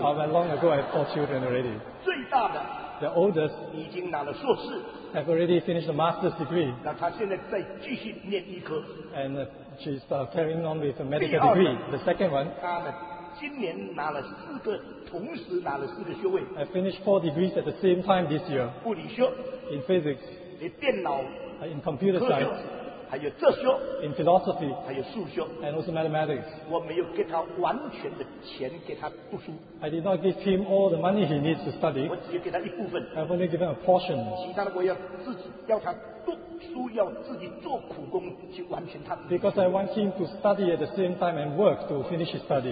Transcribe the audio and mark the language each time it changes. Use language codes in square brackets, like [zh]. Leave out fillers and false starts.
[en] Not long ago, I have 4 children already. [zh] 最大的。 [en] The oldest. [zh] 已经拿了硕士。 [en] Have already finished a master's degree. [zh] 那她现在在继续念医科。 [en] And she's carrying on with a medical degree. The second one. [zh] 她呢，今年拿了四个。同时拿了四个学位。 [en] I finished 4 degrees at the same time this year. [zh] 物理学。 [en] In physics. [zh] 你电脑。 [en] In computer science. [zh] 还有哲学。 [en] In philosophy. [zh] 还有数学。 [en] And also mathematics. [zh] 我没有给他完全的钱给他读书。 [en] I did not give him all the money he needs to study. [zh] 我只给他一部分。 [en] I've only given a portion. [zh] 其他的我要自己要他读书，要自己做苦工去完成他。 [en] Because I want him to study at the same time and work to finish his study.